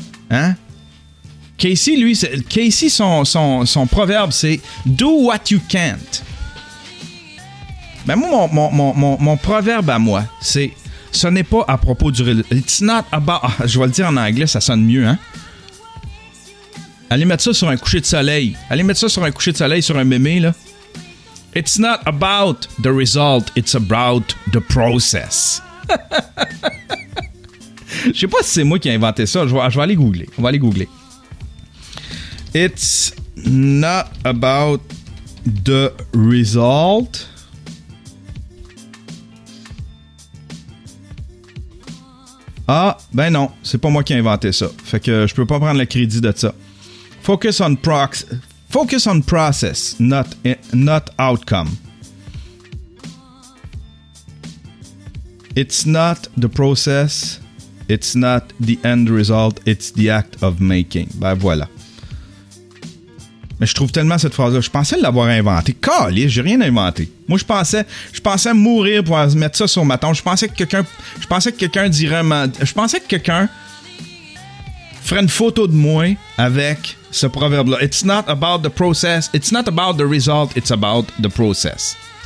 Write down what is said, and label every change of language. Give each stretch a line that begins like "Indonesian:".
French: Hein? Casey, lui, son proverbe, c'est «
English: Do what you can't ».
French: Ben moi, mon proverbe à moi, c'est « Ce n'est pas à propos du résultat. »
English: It's not about...
French: Je vais le dire en anglais, ça sonne mieux, hein? Allez mettre ça sur un coucher de soleil. Allez mettre ça sur un coucher de soleil, sur un mémé, là.
English: It's not about the result, it's about the process.
French: Je sais pas si c'est moi qui ai inventé ça. Je vais aller googler.
English: It's not about the result.
French: Ah, ben non, c'est pas moi qui ai inventé ça. Fait que je peux pas prendre le crédit de ça.
English: Focus on process, not outcome. It's not the process, it's not the end result, it's the act of making.
French: Ben voilà. Mais je trouve tellement cette phrase-là, je pensais l'avoir inventée. Calice, j'ai rien inventé. Moi, je pensais mourir pour mettre ça sur ma tombe. Je pensais que quelqu'un ferait une photo de moi avec ce proverbe-là.
English: It's not about the process, it's not about the result, it's about the process.